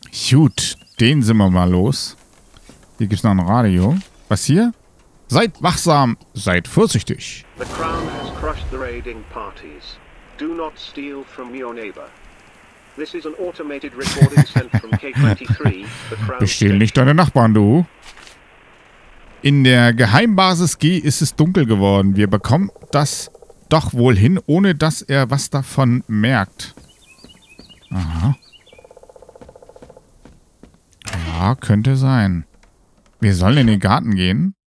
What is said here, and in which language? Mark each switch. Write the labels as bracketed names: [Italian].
[German] Gut, den sind wir mal los. Hier gibt's noch ein Radio. Was hier? Seid wachsam, seid vorsichtig. [English] The Crown has crushed the raiding parties. Do not steal from your neighbor. This is an automated recording sent from K23. [German] Bestehl nicht deine Nachbarn, du. In der Geheimbasis G ist es dunkel geworden. Wir bekommen das doch wohl hin, ohne dass er was davon merkt. Aha. Ja, könnte sein. Wir sollen in den Garten gehen.